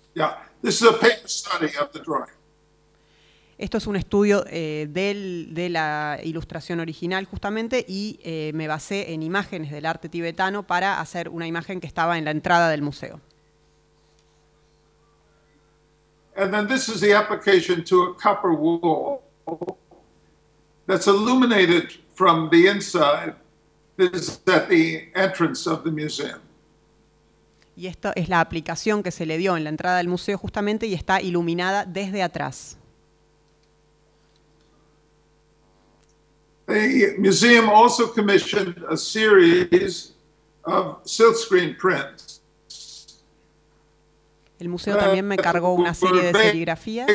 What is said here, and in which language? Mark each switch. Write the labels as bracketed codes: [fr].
[en] Yeah, this is a paper study of the drawing. [es] Esto es un estudio de la ilustración original, justamente, y me basé en imágenes del arte tibetano para hacer una imagen que estaba en la entrada del museo. [en] And then this is the application to a copper wall that's illuminated from the inside. This is at the entrance of the museum. [es] Y esta es la aplicación que se le dio en la entrada del museo justamente y está iluminada desde atrás. [en] The museum also commissioned a series of silkscreen prints. [es] El museo también me cargó una serie de serigrafías.